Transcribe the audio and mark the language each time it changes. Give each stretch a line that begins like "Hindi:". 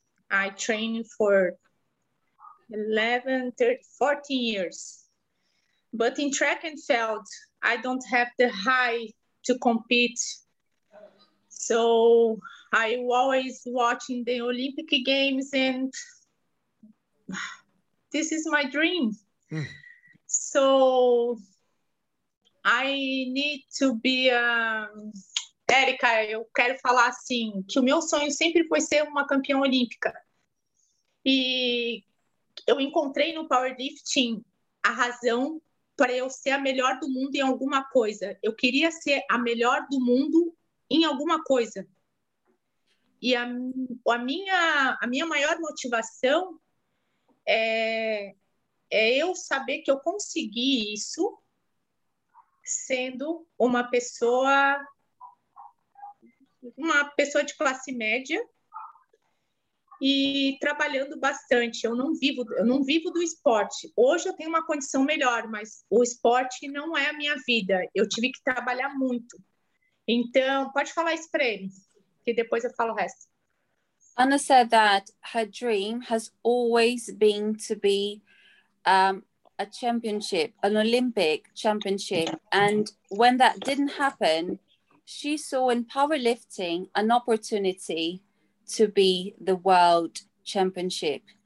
English: I trained for 11, 13, 14 years. But in track and field, I don't have the height to compete. So I always watching the Olympic Games, and this is my dream. Mm. So I need to be,
Portuguese: Erika, eu quero falar assim, que o meu sonho sempre foi ser uma campeã olímpica. E eu encontrei no powerlifting a razão para eu ser a melhor do mundo em alguma coisa. Eu queria ser a melhor do mundo em alguma coisa. E a minha maior motivação é eu saber que eu consegui isso sendo uma pessoa uma pessoa de classe média e trabalhando bastante. Eu não vivo do esporte. Hoje eu tenho uma condição melhor, mas o esporte não é a minha vida. Eu tive que trabalhar muito. Então, pode falar isso para ele, que depois eu falo o resto.
English: Anna said that her dream has always been to be a championship, an Olympic championship. And when that didn't happen, she saw in powerlifting an opportunity to be the world championship.